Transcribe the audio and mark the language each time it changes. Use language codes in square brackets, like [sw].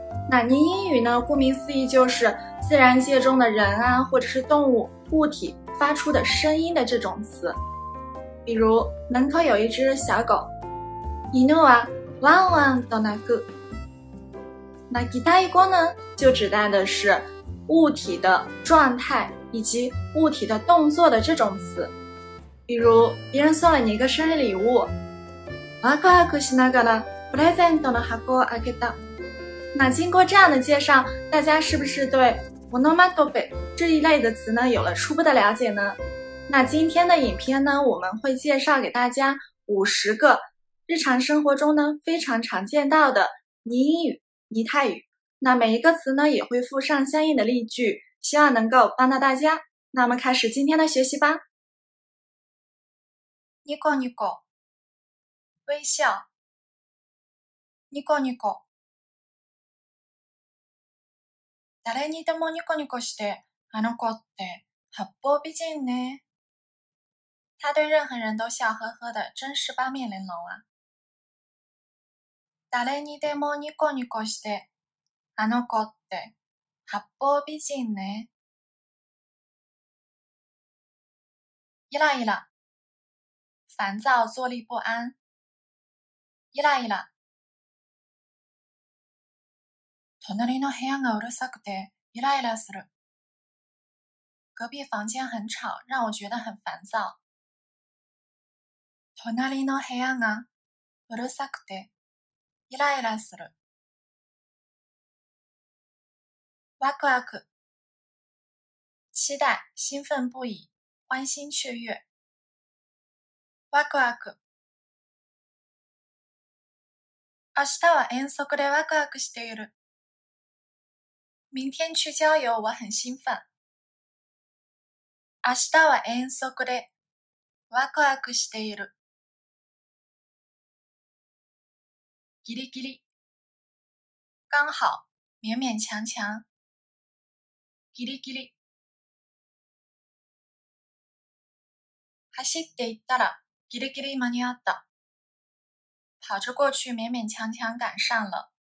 [zh] 那拟音语呢，顾名思义就是自然界中的人啊，或者是动物、物体发出的声音的这种词。比如门口有一只小狗， [ja] 犬はワンワンと鳴く。 [zh] 那擬態語呢，就指代的是物体的状态以及物体的动作的这种词。比如别人送了你一个生日礼物， [ja] ワクワクしながらプレゼントの箱を開けた。 [zh] 那经过这样的介绍，大家是不是对オノマトペ这一类的词呢有了初步的了解呢？那今天的影片呢，我们会介绍给大家50个日常生活中呢非常常见到的拟音语、拟态语。那每一个词呢也会附上相应的例句，希望能够帮到大家。那么开始今天的学习吧。 [ja] ニコニコ，微笑。ニコニコ。誰にでもニコニコして、あの子って八方美人ね。 [zh] 他对任何人都笑呵呵的、真是八面玲珑啊。 [ja] 誰にでもニコニコして、あの子って八方美人ね。 [zh] イライラ、烦躁、坐立不安。 [ja] イライラ。隣の部屋がうるさくてイライラする。 [zh] 隔壁房间很吵，让我觉得很烦躁。 [ja] 隣の部屋がうるさくてイライラする。 [zh] ワクワク，期待、兴奋不已、欢欣雀跃。 [ja] ワクワク。明日は遠足でワクワクしている。 [zh] 明天去郊游，我很兴奋。 [ja] 明日は遠足でワクワクしている。 [zh] ギリギリ，刚好，勉勉强强。 [ja] ギリギリ。走って行ったらギリギリ間に合った。 [zh] 跑着过去，勉勉强强赶上了。